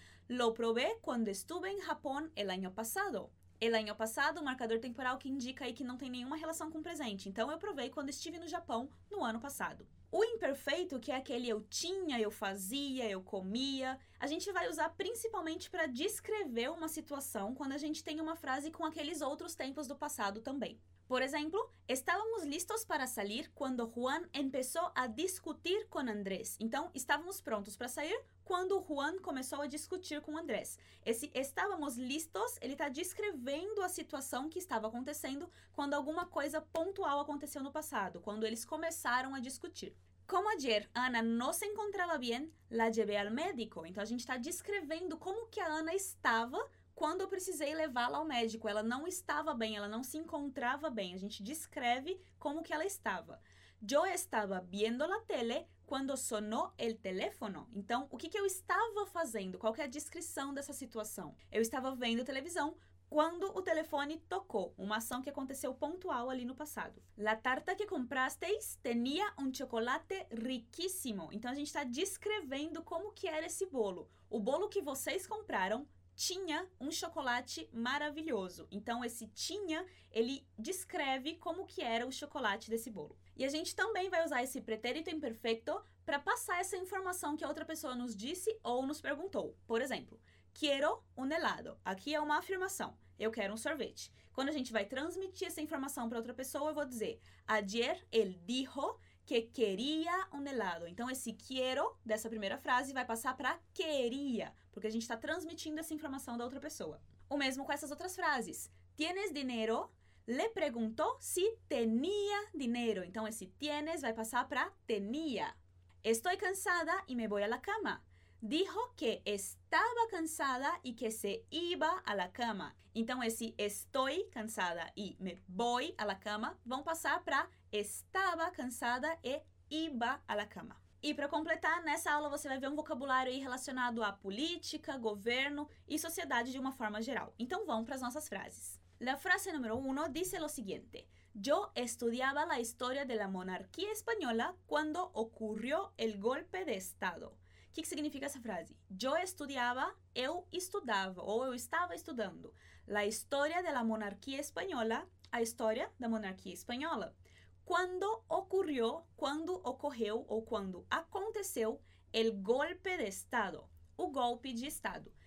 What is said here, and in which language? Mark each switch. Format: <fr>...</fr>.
<es>Lo probé cuando estuve en Japón el año pasado. El año pasado,</es> <pt>o marcador temporal que indica aí que não tem nenhuma relação com o presente. Então, eu provei quando estive no Japão no ano passado. O imperfeito, que é aquele eu tinha, eu fazia, eu comia, a gente vai usar principalmente para descrever uma situação quando a gente tem uma frase com aqueles outros tempos do passado também. Por exemplo,</pt> <es>estávamos listos para salir quando Juan empezó a discutir con Andrés.</es> <pt>Então, estávamos prontos para sair quando Juan começou a discutir com Andrés. Esse</pt> <es>estávamos listos,</es> <pt>ele está descrevendo a situação que estava acontecendo quando alguma coisa pontual aconteceu no passado, quando eles começaram a discutir.</pt> <es>Como ayer Ana no se encontraba bien, la llevé al médico.</es> <pt>Então, a gente está descrevendo como que a Ana estava quando eu precisei levá-la ao médico, ela não estava bem, ela não se encontrava bem. A gente descreve como que ela estava.</pt> <es>Yo estaba viendo la tele cuando sonó el teléfono.</es> <pt>Então, o que, que eu estava fazendo? Qual que é a descrição dessa situação? Eu estava vendo televisão quando o telefone tocou. Uma ação que aconteceu pontual ali no passado.</pt> <es>La tarta que comprasteis tenía un chocolate riquísimo.</es> <pt>Então, a gente está descrevendo como que era esse bolo. O bolo que vocês compraram tinha um chocolate maravilhoso. Então, esse tinha, ele descreve como que era o chocolate desse bolo. E a gente também vai usar esse pretérito imperfeito para passar essa informação que a outra pessoa nos disse ou nos perguntou. Por exemplo,</pt> <es>quiero un helado.</es> <pt>Aqui é uma afirmação. Eu quero um sorvete. Quando a gente vai transmitir essa informação para outra pessoa, eu vou dizer,</pt> <es>ayer él dijo que quería un helado.</es> <pt>Então, esse quiero dessa primeira frase vai passar para queria, porque a gente está transmitindo essa informação da outra pessoa. O mesmo com essas outras frases.</pt> <es>¿Tienes dinero? Le preguntó si tenía dinero.</es> <pt>Então, esse tienes vai passar para tenía.</pt> <es>Estoy cansada y me voy a la cama. Dijo que estaba cansada y que se iba a la cama.</es> <pt>Então, esse</pt> <es>estoy cansada y me voy a la cama</es> <pt>vão passar para estaba cansada e iba a la cama. E para completar, nessa aula você vai ver um vocabulário aí relacionado a política, governo e sociedade de uma forma geral. Então, vamos para as nossas frases.</pt> <es>La frase número 1 dice lo siguiente. Yo estudiaba la historia de la monarquía española cuando ocurrió el golpe de estado.</es> <pt>O que, que significa essa frase?</pt> <es>Yo estudiaba,</es> <pt>eu estudava, ou eu estava estudando.</pt> <es>La historia de la monarquía española,</es> <pt>a história da monarquia espanhola. Quando ocurrió, quando ocorreu ou quando aconteceu</pt> <es>el golpe de estado,</es> <pt>o golpe de estado.</pt>